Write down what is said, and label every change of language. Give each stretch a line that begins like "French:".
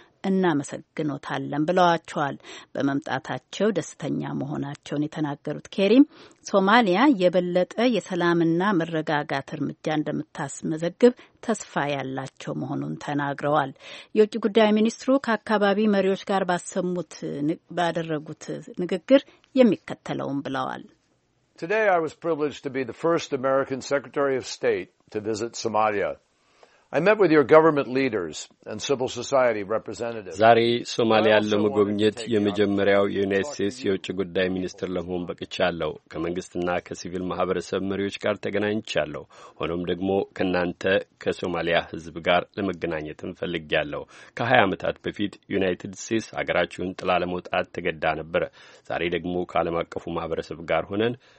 Amharic: እናመሰግኖታለን ብለዋቸዋል። በመምጣታቸው ደስተኛ መሆናቸውን የተናገሩት ኬሪም ሶማሊያ የበለጠ የሰላምና መረጋጋት እርምጃ እንደምታስመዘግብ ተስፋ ያላቸው መሆኑን ተናግረዋል። የውጭ ጉዳይ ሚኒስትሩ ከአካባቢ መሪዎች ጋር ባደረጉት ንግግር የሚከተለውም ብለዋል።
English: Today I was privileged to be the first American Secretary of State to visit Somalia. I met with your government leaders and civil society representatives.
Amharic: ዛሬ ሶማሊያ ለመጎብኘት የመጀመሪያው የዩናይትድ ስቴትስ የውጭ ጉዳይ ሚኒስትር ለመሆን በቅቻለሁ። ከመንግስትና ከሲቪል ማህበረሰብ መሪዎች ጋር ተገናኝቻለሁ። ሆኖም ደግሞ ከናንተ ከሶማሊያ ህዝብ ጋር ለመገናኘትም ፈልጌያለሁ። ከ20 አመታት በፊት ዩናይትድ ስቴትስ ሀገራችሁን ጥላ ለመውጣት ተገዳ ነበር። ዛሬ ደግሞ ከዓለም አቀፉ ማህበረሰብ ጋር ሆነን